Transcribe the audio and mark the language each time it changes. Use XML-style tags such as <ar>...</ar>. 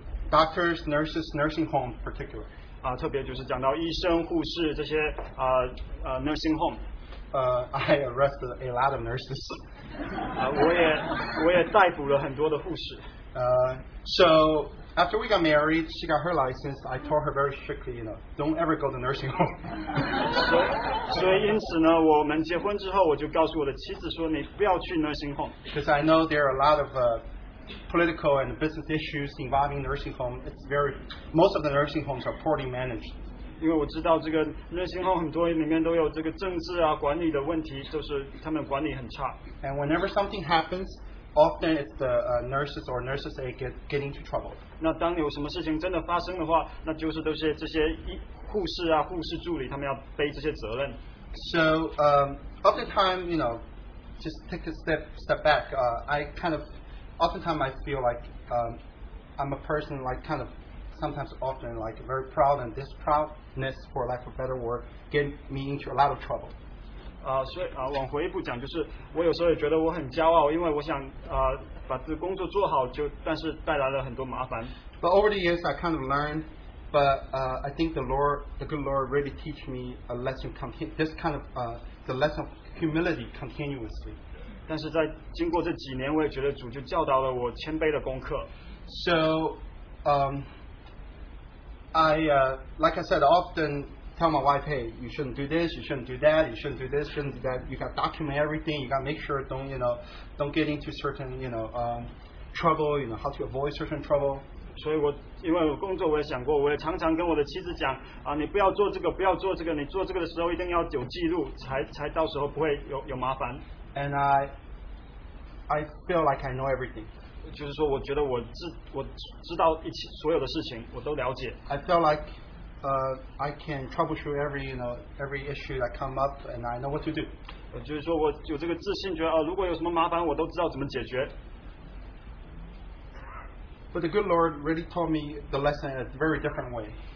<en>Doctors, nurses, nursing home in particular.</en> <zh>特别就是讲到医生、护士这些 nursing home.</zh> <en>I arrested a lot of nurses.</en> <zh>我也逮捕了很多的护士。</zh> <en>So after we got married, she got her license. I told her very strictly, you know, don't ever go to nursing home.</en> <zh>所以因此呢, 我们结婚之后, 我就告诉我的妻子说, 你不要去 nursing home.</zh> <en>Because I know there are a lot of political and business issues involving nursing home. It's very, most of the nursing homes are poorly managed.</en> <zh>因为我知道这个 nursing home 很多里面都有这个政治啊, 管理的问题, 就是他们管理很差。</zh> <en>And whenever something happens, often it's the nurses or nurses that get into trouble.</en> <zh>那当有什么事情真的发生的话, 那就是都是这些护士啊, 护士助理, 他们要背这些责任。</zh> <en>So, of the time, you know, just take a step back, I kind of, oftentimes I feel like I'm a person like kind of, sometimes often like very proud, and this proudness, for lack of a better word, get me into a lot of trouble.</en> <zh>所以往回一步讲就是我有时候也觉得我很骄傲, 因为我想 把这工作做好, 就, 但是带来了很多麻烦。</zh> <en>But over the years I kind of learned, but I think the good Lord really teach me a lesson, this kind of the lesson of humility continuously.</en> <zh>但是在经过这几年, 我也觉得主就教导了我谦卑的功课。</zh> <en>So like I said, often tell my wife, hey, you shouldn't do this, you shouldn't do that, you shouldn't do this, shouldn't do that. You got to document everything. You got to make sure don't get into certain trouble. You know how to avoid certain trouble.</en> <zh>所以我因为我工作我也想过，我也常常跟我的妻子讲啊，你不要做这个，不要做这个，你做这个的时候一定要有记录，才到时候不会有麻烦。</zh> <en>And I feel like I know everything.</en> <zh>就是说，我觉得我知道所有的事情，我都了解。</zh> <en>I feel like I can troubleshoot every issue that come up, and I know what to do.</en> <zh>就是说我有这个自信，觉得啊，如果有什么麻烦，我都知道怎么解决。</zh> <en>But the good Lord really taught me the lesson in a very different way.</en>